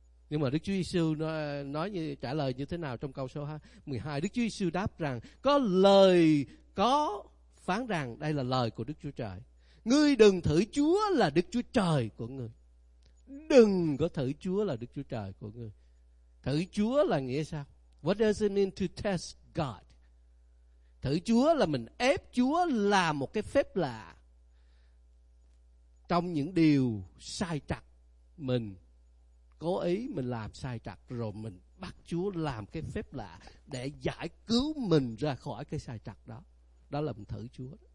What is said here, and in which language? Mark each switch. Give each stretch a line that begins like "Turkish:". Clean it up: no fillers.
Vietnamese: Nhưng mà Đức Chúa Giêsu nói như trả lời như thế nào trong câu số 12? Đức Chúa Giêsu đáp rằng: có lời có phán rằng, đây là lời của Đức Chúa Trời, ngươi đừng thử Chúa là Đức Chúa Trời của ngươi. Đừng có thử Chúa là Đức Chúa Trời của ngươi. Thử Chúa là nghĩa sao?
English: What does it mean to test God?
Vietnamese: Thử Chúa là mình ép Chúa làm một cái phép lạ trong những điều sai trật mình. Cố ý mình làm sai trật, rồi mình bắt Chúa làm cái phép lạ để giải cứu mình ra khỏi cái sai trật đó. Đó là mình thử Chúa.